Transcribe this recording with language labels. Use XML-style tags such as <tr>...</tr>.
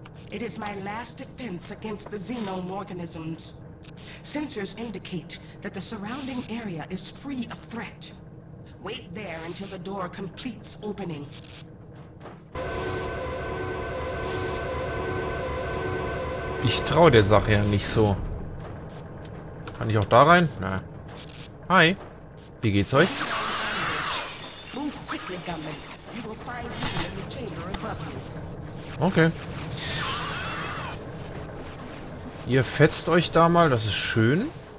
<en>It is my last defense against the Xenome organisms. Sensors indicate that the surrounding area is free of threat. Wait there until the door completes opening.</en> <de>Ich traue der Sache ja nicht so. Kann ich auch da rein? Na. Hi. Wie geht's euch?</de> <en>Move quickly, Gunman. You will find me in the chamber above you. Okay.</en> <de>Ihr fetzt euch da mal, das ist schön.</de>